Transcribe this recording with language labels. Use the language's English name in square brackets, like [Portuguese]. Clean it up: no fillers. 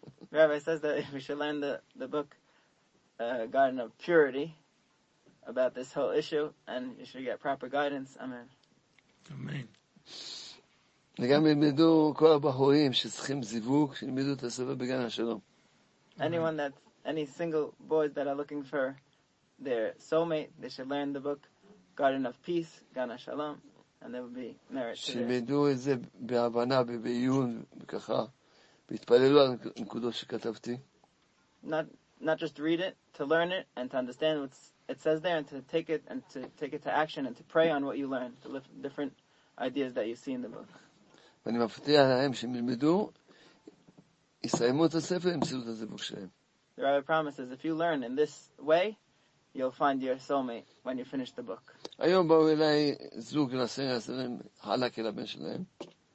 [English] Rabbi says that we should learn the book Garden of Purity about this whole issue and you should get proper guidance. Amen. Amen. [Hebrew] וגם ילמדו כל הבחורים שצריכים זיווג, שילמדו את הסבא בגן השלום. [English] Anyone that, any single boys that are looking for their soulmate, they should learn the book Garden of Peace, Gan HaShalom, and there will be merit to this. [Hebrew] שילמדו את זה בהבנה ובעיון וככה, והתפללו על הנקודות שכתבתי. [English] Not not just read it, to learn it and to understand what it says there, and to take it and to take it to action and to pray on what you learn, the different ideas that you see in the book. The rabbi promises, if you learn in this way, you'll find your soulmate when you finish the book.